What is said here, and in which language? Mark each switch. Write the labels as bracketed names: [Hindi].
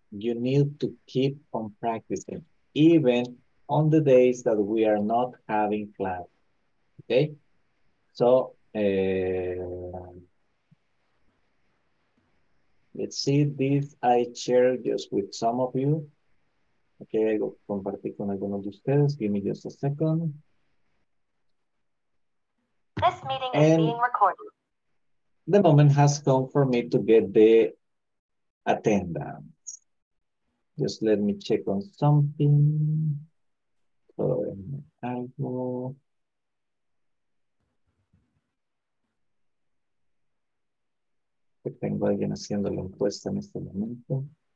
[English] You need to keep on practicing, even on the days that we are not having class, okay? So, let's see this I share just with some of you. Okay, I go [Spanish] compartir con algunos de ustedes. [English] Give me just a second. This meeting is being recorded. The moment has come for me to get the attendance. Just let me check on something. [Spanish] Que tengo alguien haciendo la encuesta en este momento.